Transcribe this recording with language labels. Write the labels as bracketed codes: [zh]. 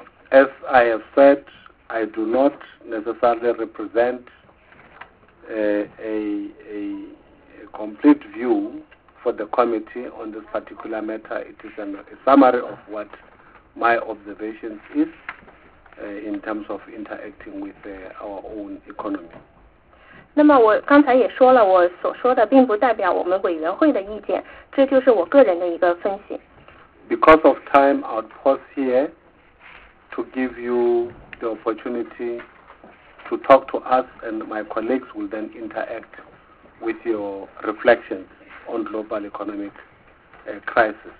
[en] As I have said, I do not necessarily represent a complete view for the committee on this particular matter. It is a summary of what my observations is. In terms of interacting with our own economy. [zh] 那么我刚才也说了，我所说的并不代表我们委员会的意见，这就是我个人的一个分析。 [en] Because of time, I'll pause here to give you the opportunity to talk to us, and my colleagues will then interact with your reflections on global economic crisis.